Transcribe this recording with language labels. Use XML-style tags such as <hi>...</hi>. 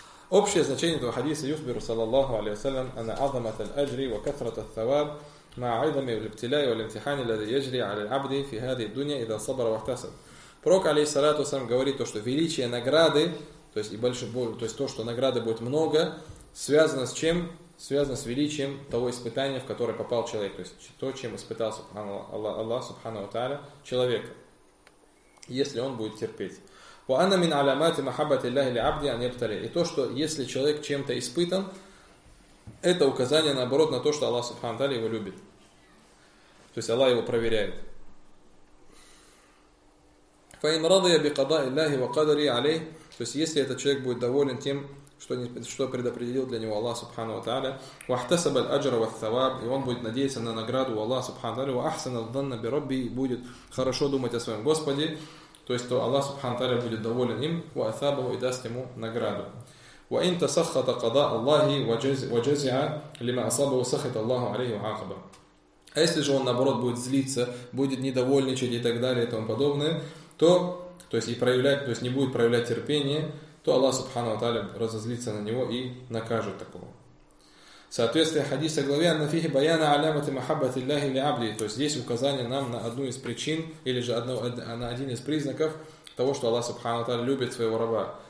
<ru>Общее значение этого хадиса</ru> <ar>يخبر صلى الله عليه وسلم أن عظمة الأجر وكثرة الثواب مع عظم الابتلاء والامتحان الذي يجري على العبد في هذه الدنيا إذا صبر واحتسب.</ar> <ru>Пророк алейхиссалату вассалям говорит то, что величие награды, то есть и больше, то есть то, что награды будет много, связано с чем? Связано с величием того испытания, в которое попал человек, то есть то, чем испытал Аллах субханаху тааля человека, если он будет терпеть.</ru> <ar>Ва анна мин аламати махаббати Аллахи лиабди ан йабтали.</ar> <ru>И то, что если человек чем-то испытан, это указание наоборот на то, что Аллах субханаху тааля его любит. То есть Аллах его проверяет.</ru> <ar>فإن رضي بقضاء الله وقدره عليه,</ar> <ru>то есть если этот человек будет доволен тем, что предопределил для него Аллах سبحانه وتعالى,</ru> <ar>واحتسب الأجر والثواب,</ar> <ru>и он будет надеяться на награду у Аллаха سبحانه وتعالى,</ru> <ar>وأحسن الظن بربه,</ar> <ru>будет хорошо думать о своем Господе, то есть то Аллах سبحانه وتعالى будет доволен им, وأثابه, и даст ему награду.</ru> <ar>وإن تسخط قضاء الله وجزع لما أصابه سخط الله عليه وعاقبه.</ar> <ru>А если же он наоборот будет злиться, будет недовольничать и так далее и тому подобное, то есть не будет проявлять терпение, то Аллах Субхану ва Тааля разозлится на него и накажет такого. Соответствие хадиса главе</ru> <ar>Ан-Нафихи баяна алямати махаббати Аллахи ли абди,</ar> <ru>то есть здесь указание нам на одну из причин или же на один из признаков того, что Аллах Субхану ва Тааля любит своего раба.</ru>